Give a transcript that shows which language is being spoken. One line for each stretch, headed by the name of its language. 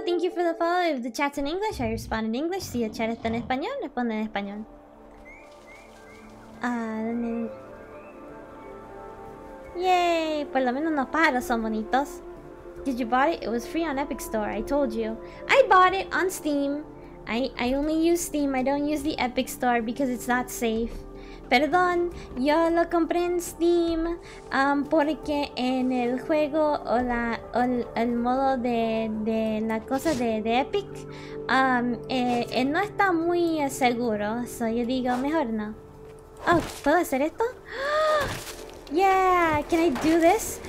English: Thank you for the follow. If the chat's in English, I respond in English.
Spanish: Si el chat está en español, responde en español. ¿Dónde? Yay, por lo menos no paro, son bonitos.
English: Did you buy it? It was free on Epic Store, I told you. I bought it on Steam. I only use Steam, I don't use the Epic Store because it's not safe.
Spanish: Perdón, yo lo compré en Steam porque en el juego o el modo de la cosa de Epic no está muy seguro. So yo digo, mejor no. Oh, ¿puedo hacer esto?
English: Yeah, can I do this?